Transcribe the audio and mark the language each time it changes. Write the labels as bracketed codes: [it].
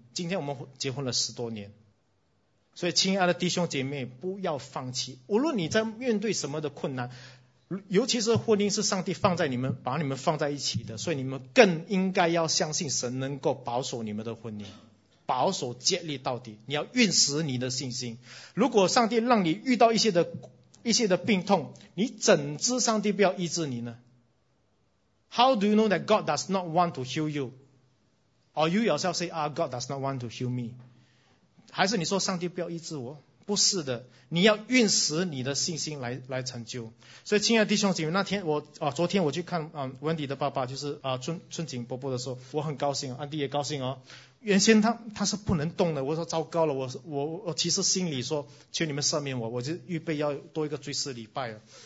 [zh] 今天我们结婚了十多年。所以亲爱的弟兄姐妹，不要放弃，无论你在面对什么的困难，尤其是婚姻是上帝放在你们，把你们放在一起的，所以你们更应该要相信神能够保守你们的婚姻，保守建立到底。你要运实你的信心，如果上帝让你遇到一些的病痛，你怎知上帝不要医治你呢？ [en] How do you know that God does not want to heal you? Or you yourself say, God does not want to heal me? [zh] 还是你说上帝不要医治我？不是的，你要运实你的信心来成就。所以亲爱的弟兄姐妹，那天昨天我去看Wendy 的爸爸，就是春景伯伯的时候，我很高兴，安迪也高兴哦。原先他是不能动的，我说糟糕了，我其实心里说求你们赦免我，我就预备要多一个追思礼拜了。